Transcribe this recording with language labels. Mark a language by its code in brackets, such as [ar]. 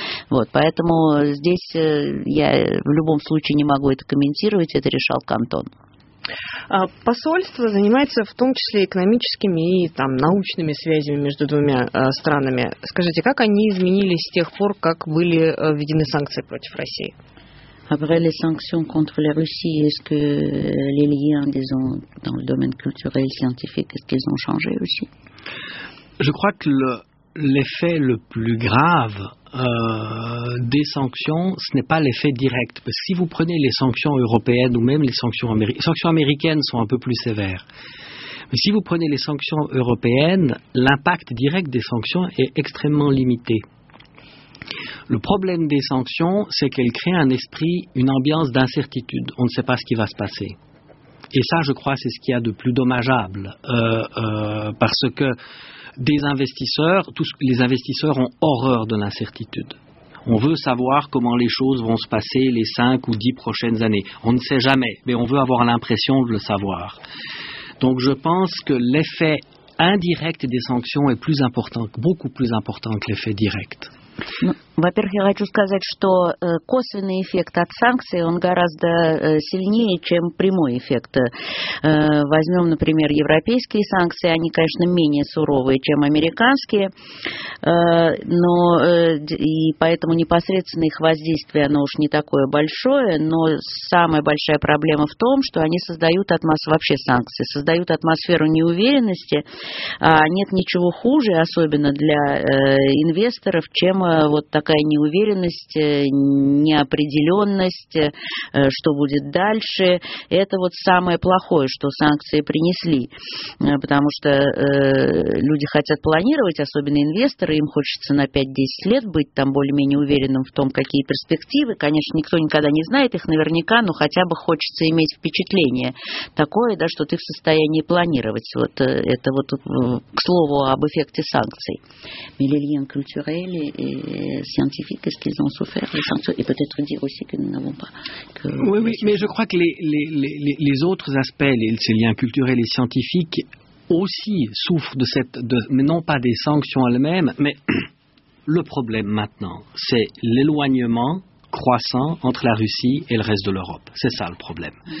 [ru] Вот, поэтому здесь я в любом случае не могу это комментировать, это решал кантон. Посольство занимается в том числе экономическими и там, научными связями между двумя странами. Скажите, как они изменились с тех пор, как были введены санкции против России? [fr] Après les sanctions contre la Russie, est-ce que les liens, disons, dans le domaine culturel, scientifique, est-ce qu'ils ont changé aussi? Je crois que l'effet le plus grave des sanctions, ce n'est pas l'effet direct. Parce que si vous prenez les sanctions européennes ou même les sanctions américaines sont un peu plus sévères. Mais si vous prenez les sanctions européennes, l'impact direct des sanctions est extrêmement limité. Le problème des sanctions, c'est qu'elles créent un esprit, une ambiance d'incertitude. On ne sait pas ce qui va se passer. Et ça, je crois, c'est ce qu'il y a de plus dommageable. Parce que des investisseurs, les investisseurs ont horreur de l'incertitude. On veut savoir comment les choses vont se passer les 5 ou 10 prochaines années. On ne sait jamais, mais on veut avoir l'impression de le savoir. Donc je pense que l'effet indirect des sanctions est plus important, beaucoup plus important que l'effet direct. [ru] Ну, во-первых, я хочу сказать, что косвенный эффект от санкций, он гораздо сильнее, чем прямой эффект. Возьмем, например, европейские санкции, они, конечно, менее суровые, чем американские, но и поэтому непосредственно их воздействие, оно уж не такое большое, но самая большая проблема в том, что они создают вообще санкции, создают атмосферу неуверенности, а нет ничего хуже, особенно для инвесторов, чем вот такая неуверенность, неопределенность, что будет дальше. Это вот самое плохое, что санкции принесли. Потому что люди хотят планировать, особенно инвесторы, им хочется на 5-10 лет быть там более-менее уверенным в том, какие перспективы. Конечно, никто никогда не знает их наверняка, но хотя бы хочется иметь впечатление такое, да, что ты в состоянии планировать. Вот это вот к слову об эффекте санкций. [fr] Миллиен культурели и scientifiques, est-ce qu'ils ont souffert les sanctions, et peut-être dire aussi que nous n'avons pas... Oui, oui, mais je crois que les autres aspects, ces liens culturels et scientifiques, aussi souffrent de cette... mais non pas des sanctions elles-mêmes, mais le problème maintenant, c'est l'éloignement croissant entre la Russie et le reste de l'Europe. C'est ça le problème.